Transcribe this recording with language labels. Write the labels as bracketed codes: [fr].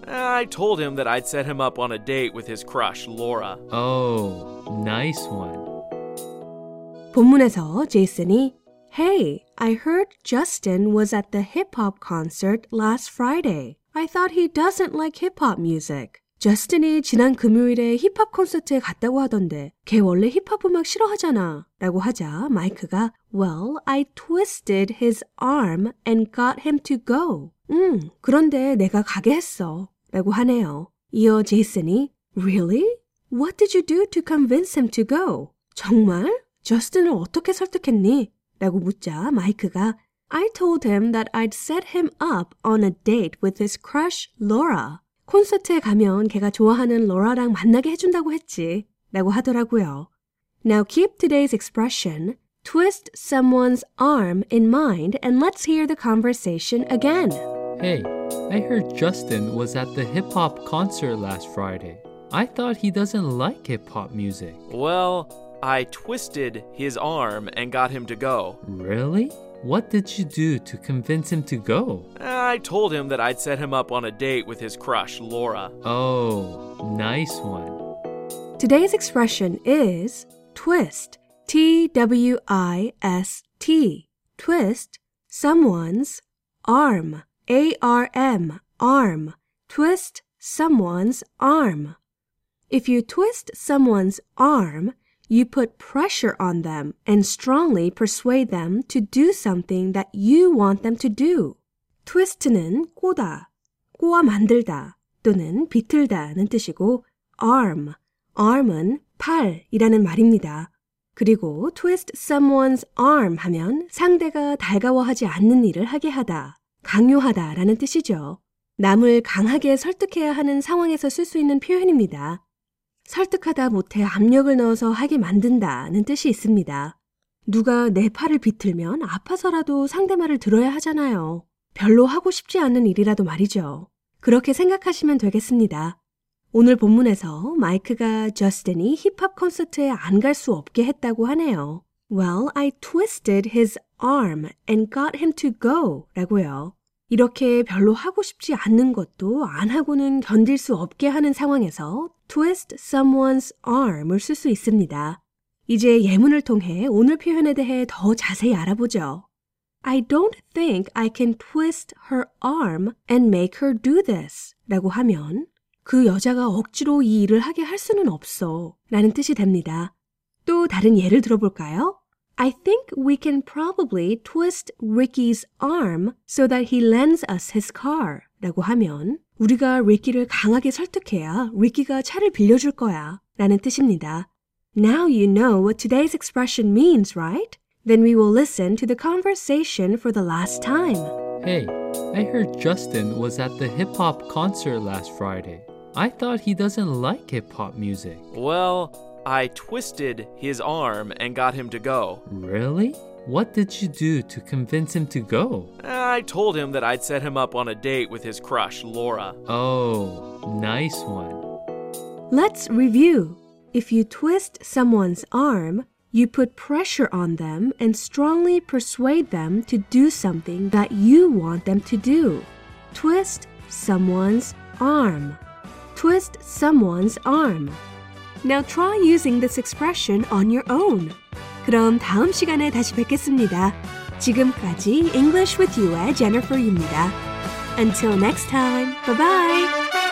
[en] I told him that I'd set him up on a date with his crush, Laura. Oh, nice one. [ko] 본문에서 제이슨이 [en] Hey, I heard Justin was at the hip-hop concert last Friday. I thought he doesn't like hip-hop music. [ko] Justin이 지난 금요일에 힙합 콘서트에 갔다고 하던데 걔 원래 힙합 음악 싫어하잖아 라고 하자 마이크가 [en] Well, I twisted his arm and got him to go. [ko] 그런데 내가 가게 했어 라고 하네요. 이어 제이슨이 [en] Really? What did you do to convince him to go? [ko] 정말? Justin을 어떻게 설득했니? 라고 묻자 마이크가 [en] I told him that I'd set him up on a date with his crush Laura. [ko] 콘서트에 가면 걔가 좋아하는 로라랑 만나게 해준다고 했지 라고 하더라고요. [en] Now keep today's expression, twist someone's arm in mind and let's hear the conversation again. Hey, I heard Justin was at the hip-hop concert last Friday. I thought he doesn't like hip-hop music. Well, I twisted his arm and got him to go. Really? What did you do to convince him to go? I told him that I'd set him up on a date with his crush, Laura. Oh, nice one. Today's expression is twist. T-W-I-S-T. Twist someone's arm. A-R-M. Arm. Twist someone's arm. If you twist someone's arm, you put pressure on them and strongly persuade them to do something that you want them to do. [ko] Twist는 꼬다, 꼬아 만들다 또는 비틀다는 뜻이고 [en] arm, arm [ko] 은 팔이라는 말입니다. 그리고 [en] twist someone's arm [ko] 하면 상대가 달가워하지 않는 일을 하게 하다, 강요하다 라는 뜻이죠. 남을 강하게 설득해야 하는 상황에서 쓸 수 있는 표현입니다. 설득하다 못해 압력을 넣어서 하게 만든다는 뜻이 있습니다. 누가 내 팔을 비틀면 아파서라도 상대 말을 들어야 하잖아요. 별로 하고 싶지 않은 일이라도 말이죠. 그렇게 생각하시면 되겠습니다. 오늘 본문에서 마이크가 저스틴이 힙합 콘서트에 안 갈 수 없게 했다고 하네요. [en] Well, I twisted his arm and got him to go [ko] 라고요. 이렇게 별로 하고 싶지 않는 것도 안 하고는 견딜 수 없게 하는 상황에서 [en] twist someone's arm [ko] 을 쓸 수 있습니다. 이제 예문을 통해 오늘 표현에 대해 더 자세히 알아보죠. [en] I don't think I can twist her arm and make her do this [ko] 라고 하면 그 여자가 억지로 이 일을 하게 할 수는 없어 라는 뜻이 됩니다. 또 다른 예를 들어볼까요? [en] I think we can probably twist Ricky's arm so that he lends us his car. [ko] 라고 하면 우리가 Ricky를 강하게 설득해야 Ricky가 차를 빌려줄 거야 라는 뜻입니다. [en] Now you know what today's expression means, right? Then we will listen to the conversation for the last time. Hey, I heard Justin was at the hip-hop concert last Friday. I thought he doesn't like hip-hop music. Well, I twisted his arm and got him to go. Really? What did you do to convince him to go? I told him that I'd set him up on a date with his crush, Laura. Oh, nice one. Let's review. If you twist someone's arm, you put pressure on them and strongly persuade them to do something that you want them to do. Twist someone's arm. Twist someone's arm. Now try using this expression on your own. [ko] 그럼 다음 시간에 다시 뵙겠습니다. 지금까지 English with You의 [en] Jennifer입니다. Until next time, bye-bye!